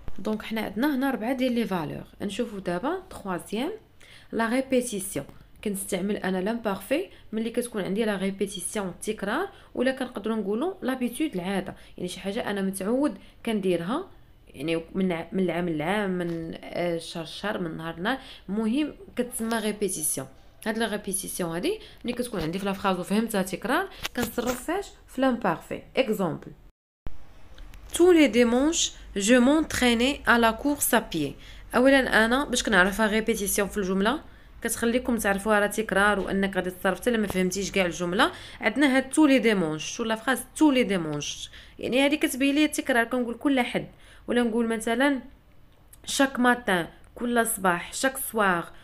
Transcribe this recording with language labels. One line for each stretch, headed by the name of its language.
Arabic: دونك حنا عندنا هنا ربعه ديال لي فالور. نشوفوا دابا ثوازيام لا ريبيتيسيون، كنستعمل انا لامبارفي ملي كتكون عندي لا ريبيتيسيون التكرار، ولا كنقدروا نقولوا لابيتود العاده، يعني شي حاجه انا متعود كنديرها يعني من العام للعام من الشهر الشهر من نهار لنهار، المهم كتسمى ريبيتيسيون. هاد لا ريبيتيسيون هادي ملي كتكون عندي في لا فراز وفهمتها تكرار كنصرف فيها في لامبارفي.
French: اكزامبل tous les dimanches je m'entraînais à la course à pied.
Arabic: اولا انا باش كنعرفها ريبيتيسيون في الجمله كتخليكم تعرفوها راه تكرار وانك غادي تصرف حتى ما فهمتيش كاع الجمله. عندنا هاد
French: tous les dimanches
Arabic: ولا فراز tous les dimanches، يعني هذه كتبين لي التكرار، كنقول كل حد، ولا نقول مثلا
French: chaque matin
Arabic: كل صباح
French: chaque soir